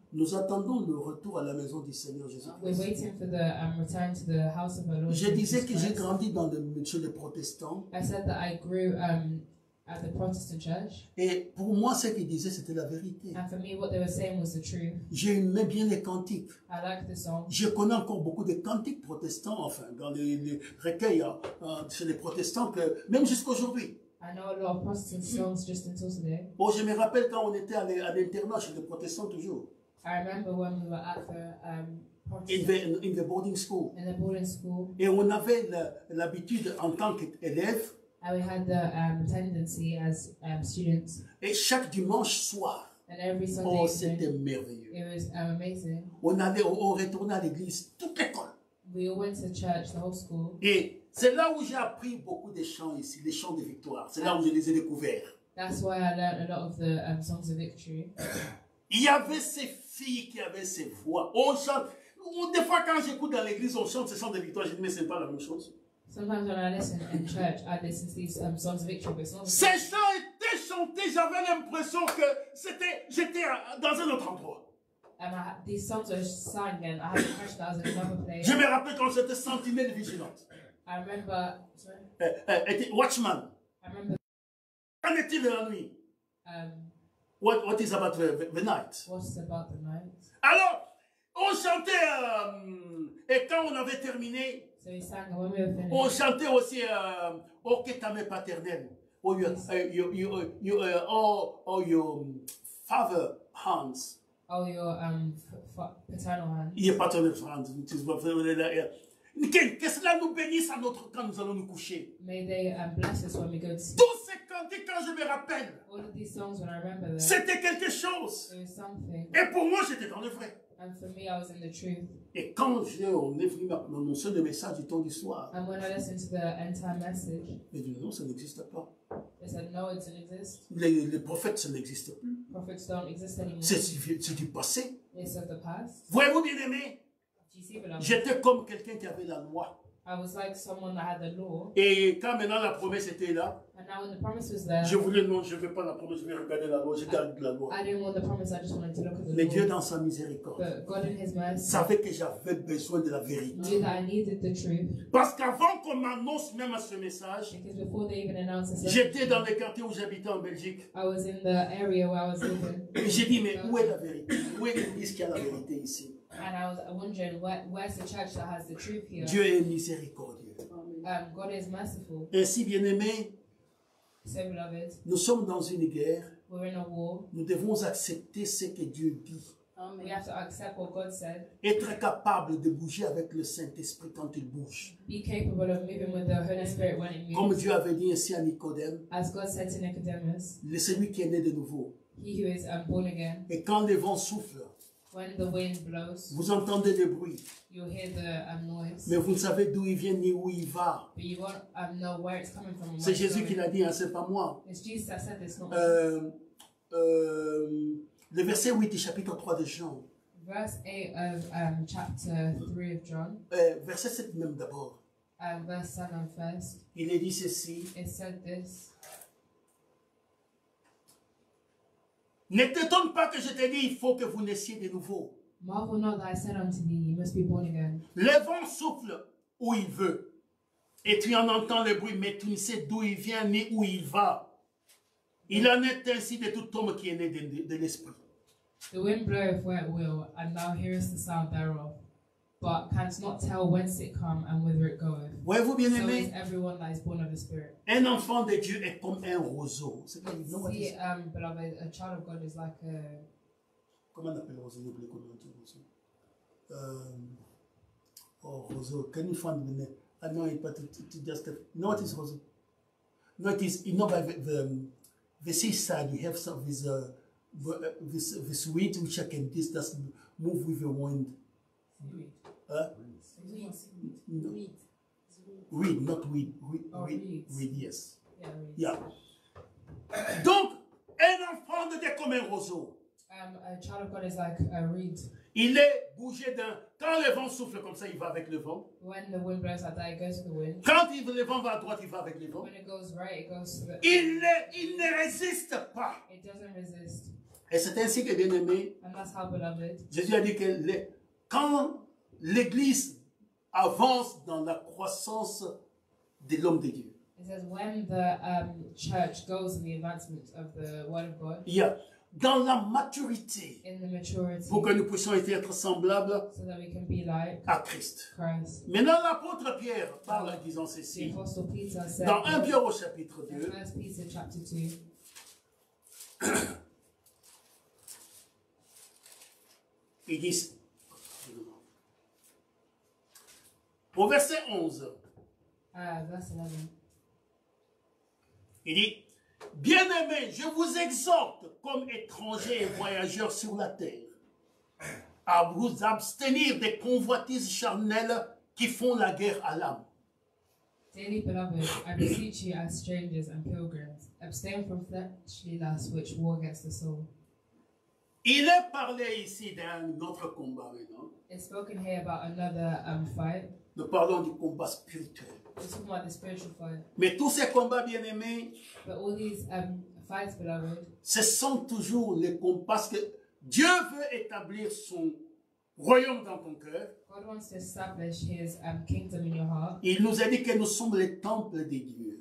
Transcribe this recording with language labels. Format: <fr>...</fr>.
<fr>nous attendons le retour à la maison du Seigneur Jésus-Christ.</fr> <en>We're waiting for the return to the house of the Lord Jesus.</en> <fr>Je disais que j'ai grandi dans le milieu des protestants.</fr> <en>I said that I grew at the Protestant church.</en> <fr>Et pour moi, ce qu'ils disaient, c'était la vérité.</fr> <en>And for me, what they were saying was the truth.</en> <fr>J'aimais bien les cantiques.</fr> <en>I like the songs.</en> <fr>Je connais encore beaucoup de cantiques protestants, enfin, dans les recueils chez les protestants, que, même jusqu'à aujourd'hui.</fr> <en>I know a lot of Protestant songs just until today.</en> <fr>Oh, je me rappelle quand on était à l'internat chez les protestants toujours.</fr> <en>I remember when we were at the in the boarding school. In the boarding school.</en> <fr>Et on avait l'habitude en tant qu'élève.</fr> <en>And we had the tendency as students.</en> <fr>Et chaque dimanche soir.</fr> <en>And every Sunday.</en> <fr>Oh, c'était merveilleux.</fr> <en>It was amazing.</en> <fr>On retournait à l'église toute l'école.</fr> <en>We all went to church, the whole school.</en> <fr>Et c'est là où j'ai appris beaucoup de chants ici, les chants de victoire. C'est là où je les ai découverts.</fr> <en>That's why I learned a lot of the songs of victory.</en> <fr>Il y avait ces filles qui avaient ces voix. On chante. Des fois, quand j'écoute dans l'église, on chante ces chants de victoire. Je dis, mais c'est pas la même chose.</fr> <en>Sometimes when I listen in church, I listen to these songs of victory, but it's not.</en> <fr>Ces chants étaient chantés. J'avais l'impression que j'étais dans un autre endroit.</fr> <en>These songs were sung, and I had the impression that I was in another place.</en> <fr>Je me rappelle quand j'étais sentinelle vigilante.</fr> <en>I remember. Watchman. I remember.</en> <fr>Qu'en est-il de la nuit?</fr> <en>What is about the night? What's about the night?</en> <fr>Alors, on chantait. Et quand on avait terminé,</fr> <en>so he sang, when we were finished,</en> <fr>on chantait aussi Oh, que ta main paternelle.</fr> <en>Oh, your father hands. Oh, your paternal hands. Your paternal hands, which is what they were there.</en> <fr>Que cela nous bénisse à notre quand nous allons nous coucher.</fr> <en>May they bless us when we go to sleep.</en> <fr>Tous ces cantiques, quand je me rappelle,</fr> <en>all of these songs when I remember them,</en> <fr>c'était quelque chose.</fr> <en>It was something.</en> <fr>Et pour moi, j'étais dans le vrai.</fr> <en>And for me, I was in the truth.</en> <fr>Et quand j'ai venu m'annoncer le message du temps d'histoire,</fr> <en>and when I listened to the end time message,</en> <fr>mais dit, non, ça n'existe pas.</fr> <en>They said, no, it doesn't exist.</en> <fr>Les prophètes, ça n'existe plus.</fr> <en>Prophets don't exist anymore.</en> <fr>C'est du passé.</fr> <en>It's of the past.</en> <fr>Voyez-vous, bien aimé? J'étais comme quelqu'un qui avait la loi.</fr> <en>I was like someone that had the law.</en> <fr>Et quand maintenant la promesse était là,</fr> <en>and now when the promise was there,</en> <fr>je voulais, non, je ne veux pas la promesse, je vais regarder la loi, je garde la loi.</fr> <en>I didn't want the promise, I just wanted to look at the</en> <fr>law. Mais Dieu dans sa miséricorde,</fr> <en>but God in his mercy,</en> <fr>savait que j'avais besoin de la vérité.</fr> <en>Knew that I needed the truth.</en> <fr>Parce qu'avant qu'on m'annonce même à ce message,</fr> <en>because before they even announced this,</en> <fr>j'étais dans les quartiers où j'habitais en Belgique.</fr> <en>I was in the area where I was living.</en> <fr>Et j'ai dit, mais où est la vérité? Où est l'église qui a la vérité ici?</fr> <en>And I was wondering, where's the church that has the truth here?</en> <fr>Dieu est miséricordieux.</fr> <en>God is merciful.</en> <fr>Ainsi, bien aimé,</fr> <en>so, beloved,</en> <fr>nous sommes dans une guerre.</fr> <en>We're in a war.</en> <fr>Nous devons accepter ce que Dieu dit.</fr> <en>Amen. We have to accept what God said.</en> <fr>Être capable de bouger avec le Saint-Esprit quand il bouge.</fr> <en>Be capable of moving with the Holy Spirit when it moves.</en> <fr>Comme Dieu avait dit ainsi à Nicodème.</fr> <en>As God said to Nicodemus.</en> <fr>Le celui qui est né de nouveau.</fr> <en>He who is born again.</en> <fr>Et quand le vent souffle.</fr> <en>When the wind blows,</en> <fr>vous entendez le bruit.</fr> <en>You hear the noise.</en> <fr>Mais vous ne savez d'où il vient ni où il va.</fr> <en>But you won't know where it's coming from.</en> <fr>C'est Jésus qui l'a dit, hein, c'est pas moi.</fr> <en>It's Jesus that said this, not</en> <fr>le verset 8 du chapitre 3 de Jean.</fr> <en>Verse 8 of chapter 3 of John.</en> <fr>Verset 7 même d'abord.</fr> <en>Verse 7 first.</en> <fr>Il est dit ceci.</fr> <en>It said this.</en> <fr>Ne t'étonne pas que je t'ai dit, il faut que vous naissiez de nouveau.</fr> <en>Marvel not that I said unto thee, you must be born again.</en> <fr>Le vent souffle où il veut. Et tu en entends le bruit, mais tu ne sais d'où il vient ni où il va. Il en est ainsi de tout homme qui est né de l'esprit.</fr> <en>The wind bloweth where it will, and thou hearest the sound thereof. But canst not tell whence it come and whither it goeth.</en> <fr>Voyez-vous, bien aimé?</fr> <en>So is everyone that is born of the Spirit.</en> <fr>Un enfant de Dieu est comme un roseau.</fr> <en>See, beloved, a child of God is like a...</en> <fr>Comment on appelle roseau? N'oubliez pas le nom de roseau. Oh, roseau.</fr> <en>Can you find the name? I know it, but it just... No, it is roseau. No, it is... You know, by the seaside, you have some this wheat which I can just move with your wind. Weed.</en> <fr>Donc, un enfant de Dieu comme un roseau.</fr> <en>A child of God is like a reed.</en> <fr>Il est bougé d'un. Quand le vent souffle comme ça, il va avec le vent.</fr> <en>When the wind blows like that, it goes to the wind.</en> <fr>Quand le vent va à droite, il va avec le vent.</fr> <en>When it goes right, it goes to the.</en> <fr>Il ne résiste pas.</fr> <en>It doesn't resist.</en> <fr>Et c'est ainsi que bien aimé.</fr> <en>And that's how beloved.</en> <fr>Jésus a dit que quand l'Église avance dans la croissance de l'homme de Dieu.</fr> <en>It says when the church goes in the advancement of the word of God.</en> <fr>Yeah. Dans la maturité.</fr> <en>In the maturity.</en> <fr>Pour que nous puissions être semblables.</fr> <en>So that we can be like</en> <fr>à Christ.</fr> <en>Christ.</en> <fr>Maintenant l'apôtre Pierre parle en disant ceci.</fr> <en>The Apostle Peter said,</en> <fr>dans 1 Pierre au chapitre 2.</fr> <en>In 1 Peter chapter 2.</en> <fr>Il dit au verset 11.</fr> <en>Verse 11.</en> <fr>Il dit, bien-aimés, je vous exhorte comme étrangers et voyageurs sur la terre à vous abstenir des convoitises charnelles qui font la guerre à l'âme.</fr> <en>Dearly beloved, I beseech you as strangers and pilgrims, abstain from fleshly lusts which war against the soul.</en> <fr>Il est parlé ici d'un autre combat maintenant.</fr> <en>It's spoken here about another fight.</en> <fr>Nous parlons du combat spirituel.</fr> <en>We're talking about the spiritual fight.</en> <fr>Mais tous ces combats bien-aimés,</fr> <en>but all these fights, beloved,</en> <fr>ce sont toujours les combats parce que Dieu veut établir son royaume dans ton cœur.</fr> <en>God wants to establish his kingdom in your heart.</en> <fr>Il nous a dit que nous sommes les temples de Dieu.</fr>